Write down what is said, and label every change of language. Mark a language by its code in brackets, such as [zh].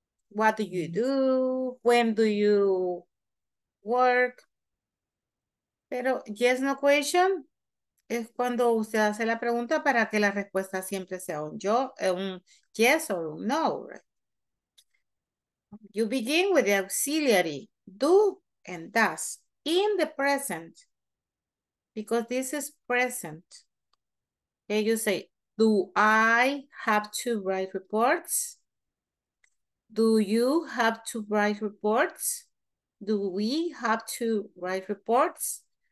[en] What do you do? When do you work? [es] Pero [en] yes, no question [es] es cuando usted hace la pregunta para que la respuesta siempre sea un yes or un no. [en] You begin with the auxiliary, do and does, in the present, because this is present. Okay, you say, do I have to write reports? Do you have to write reports? Do we have to write reports?